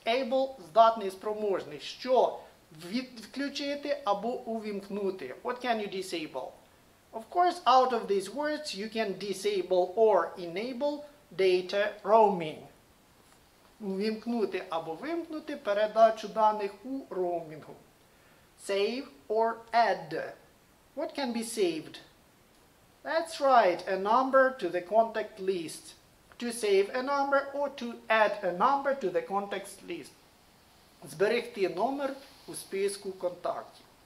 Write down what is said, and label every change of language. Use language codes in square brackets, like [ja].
[uk] Able – здатний, спроможний. Що? Відключити або увімкнути. [en] What can you disable? Of course, out of these words, you can disable or enable data roaming. [uk] Увімкнути або вимкнути передачу даних у роумінгу. [en] Save or add. What can be saved? That's right, a number to the contact list. To save a number or to add a number to the contact list. [uk] Зберегти номер у списку контактів.